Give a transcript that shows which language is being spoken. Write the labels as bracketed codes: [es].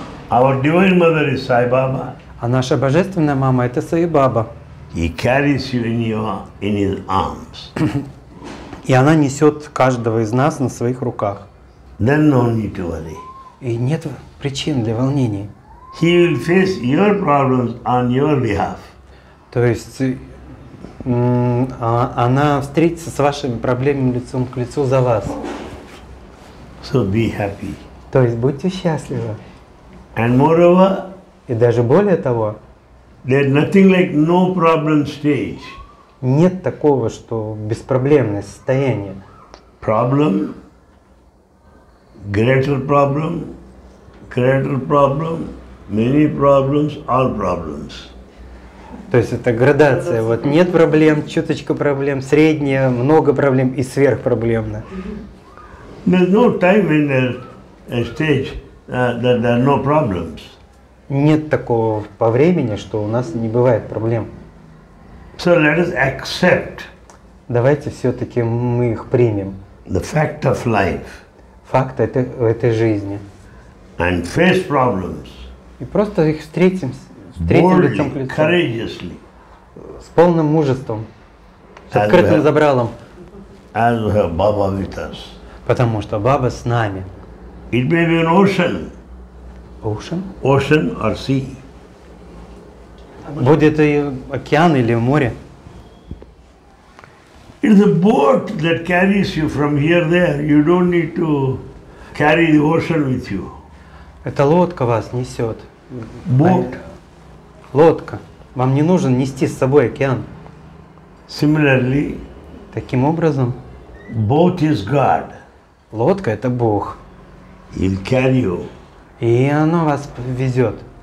[en] Our divine mother is Sai Baba. [ru] А наша божественная мама это Саи Баба. [en] He carries you in his arms. [ru] И она несет каждого из нас на своих руках. [en] Then no need to worry. [ru] И нет причин для волнений. [en] He will face your problems on your behalf. [ru] То есть она встретится с вашими проблемами лицом к лицу за вас. [en] So be happy. [ru] То есть будьте счастливы. [en] And moreover, [ru] и даже более того, [en] there is nothing like no problem stage. [ru] Нет такого, что беспроблемное состояние. [en] Problem, greater problem, greater problem, many problems, all problems. [ru] То есть это градация. Вот нет проблем, чуточка проблем, средняя, много проблем и сверхпроблемно. [en] There's no time in a stage that there are no problems. [ru] Нет такого по времени, что у нас не бывает проблем. [en] So let us accept. [ru] Давайте все-таки мы их примем. [en] The fact of life. [ru] Факт этой жизни. [en] And face problems. [ru] И просто их встретим [en] boldly, [ru] лицом к лицу. [en] Courageously. [ru] С полным мужеством. С открытым забралом. [en] As her Baba with us. [ru] Потому что Баба с нами. [en] It may be an ocean. Ocean? Ocean or sea. [ru] Будет и океан или море. [en] It's a boat that carries you from here there. You don't need to carry the ocean with you. [ru] Это лодка вас несет. [en] Boat. [ru] Лодка. Вам не нужно нести с собой океан. [en] Similarly. [ru] Таким образом. [en] Boat is God. [ru] Лодка это Бог. [en] He'll carry you. [ru] И оно вас везет.